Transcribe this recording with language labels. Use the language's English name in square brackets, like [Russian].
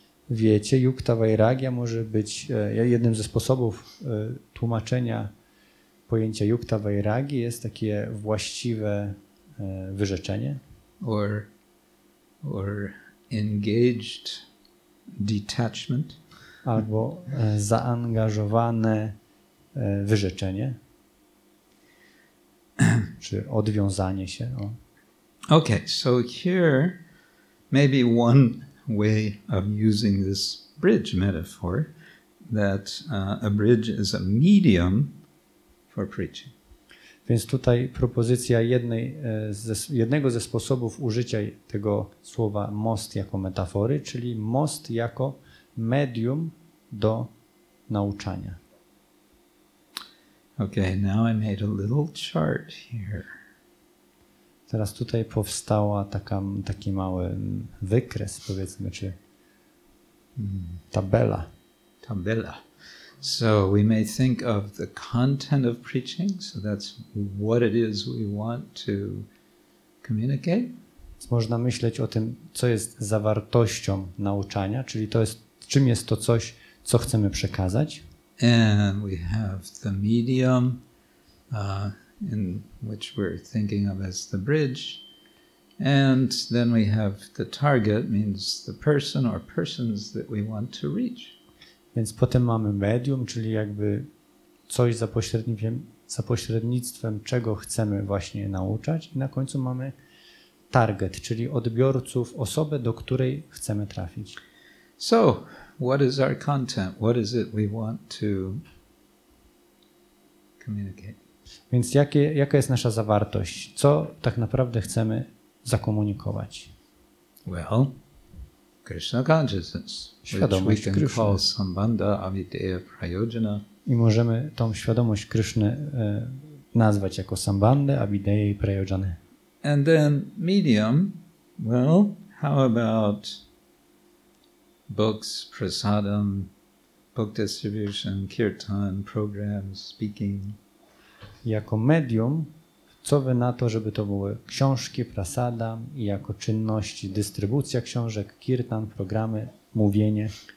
[Polish] Wiecie, yukta vairagya może być jednym ze sposobów tłumaczenia pojęcia yukta vairagi jest takie właściwe wyrzeczenie. [English] Or engaged detachment. [Polish] Albo zaangażowane wyrzeczenie. Czy odwiązanie się. O. [English] Okay, so here maybe one way of using this bridge metaphor, that a bridge is a medium for preaching. [Polish] Więc tutaj propozycja jednego ze sposobów użycia tego słowa most jako metafory, czyli most jako medium do nauczania. [English] Okay, now I made a little chart here. [Polish] Teraz tutaj powstała taki mały wykres, powiedzmy, czy tabela. Tabela. [English] So we may think of the content of preaching, so that's what it is we want to communicate. [Polish] Można myśleć o tym, co jest zawartością nauczania, czyli to jest, czym jest to coś, co chcemy przekazać. [English] And we have the medium in which we're thinking of as the bridge. And then we have the target, means the person or persons that we want to reach. [Polish] Więc potem mamy medium, czyli jakby coś za pośrednictwem czego chcemy właśnie nauczać. I na końcu mamy target, czyli odbiorców, osobę, do której chcemy trafić. [English] So, what is our content? What is it we want to communicate? [Polish] Więc jaka jest nasza zawartość? Co tak naprawdę chcemy zakomunikować? [English] Well, Krishna consciousness, which we can call Sambandha, Avideya, Prayojana. [Polish] I możemy tą świadomość Kryszny nazwać jako Sambandha, Avideya i Prayojana. [English] And then medium, well, how about books, prasadam, book distribution, kirtan, programs, speaking? [Polish] Jako medium, co wy na to, żeby to były książki, prasada i jako czynności, dystrybucja książek, kirtan, programy, mówienie?